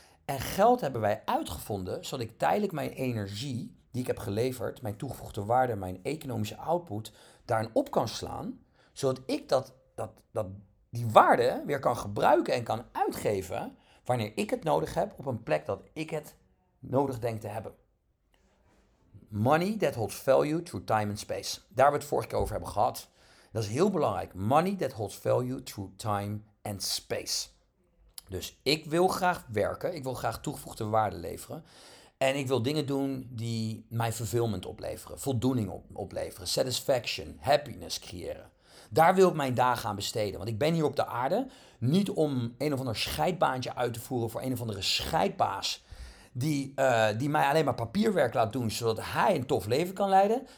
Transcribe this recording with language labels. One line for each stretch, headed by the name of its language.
Dutch: En geld hebben wij uitgevonden zodat ik tijdelijk mijn energie die ik heb geleverd, mijn toegevoegde waarde, mijn economische output, daarin op kan slaan, zodat ik die waarde weer kan gebruiken en kan uitgeven wanneer ik het nodig heb op een plek dat ik het nodig denk te hebben.
English: Money that holds value through time and space.
Dutch: Daar hebben we het vorige keer over hebben gehad. Dat is heel belangrijk.
English: Money that holds value through time and space.
Dutch: Dus ik wil graag werken. Ik wil graag toegevoegde waarde leveren. En ik wil dingen doen die mij fulfillment opleveren. Voldoening opleveren. Satisfaction. Happiness creëren. Daar wil ik mijn dagen aan besteden. Want ik ben hier op de aarde niet om een of ander scheidbaantje uit te voeren voor een of andere scheidbaas die mij alleen maar papierwerk laat doen zodat hij een tof leven kan leiden.